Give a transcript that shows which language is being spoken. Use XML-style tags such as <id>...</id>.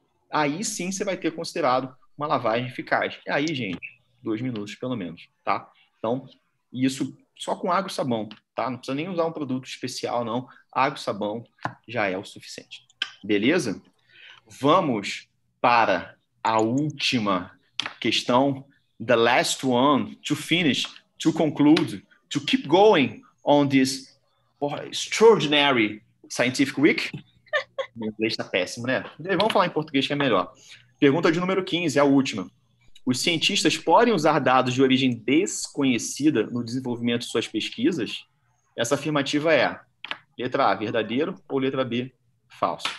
<pt>Aí sim você vai ter considerado uma lavagem eficaz. E aí, gente, 2 minutos pelo menos, tá? Então, isso só com água e sabão, tá? Não precisa nem usar um produto especial, não. Água e sabão já é o suficiente. Beleza? Vamos para a última questão.</pt> <en>The last one to finish, to conclude, to keep going on this extraordinary scientific week.</en> <pt>Meu inglês está péssimo, né? Vamos falar em português que é melhor. Pergunta de número 15, a última. Os cientistas podem usar dados de origem desconhecida no desenvolvimento de suas pesquisas? Essa afirmativa é letra A, verdadeiro, ou letra B, falso?</pt>